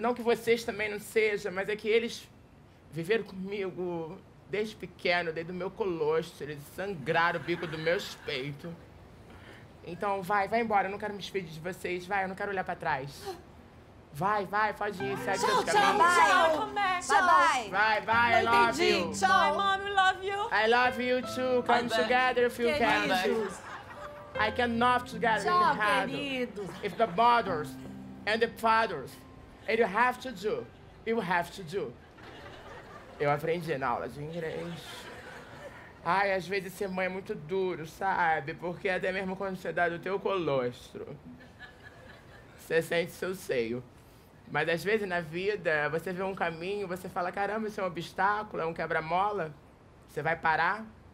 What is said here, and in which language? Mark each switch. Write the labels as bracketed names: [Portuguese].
[Portuguese] Não que vocês também não sejam, mas é que eles viveram comigo desde pequeno, desde o meu colostro, eles sangraram o bico do meu peito. Então vai embora, eu não quero me despedir de vocês, vai, eu não quero olhar pra trás. Vai, pode ir, segue seus caminhos. Tchau, [English] I love you. [Portuguese] Tchau, [English] mom, I love you. I love you too, come together if you can. I cannot together in heaven. If the mothers and the fathers, and you have to do, you have to do. [Portuguese] Eu aprendi na aula de inglês. Ai, às vezes ser mãe é muito duro, sabe? Porque até mesmo quando você dá do teu colostro, você sente seu seio. Mas às vezes na vida, você vê um caminho, você fala, caramba, isso é um obstáculo, é um quebra-mola? Você vai parar?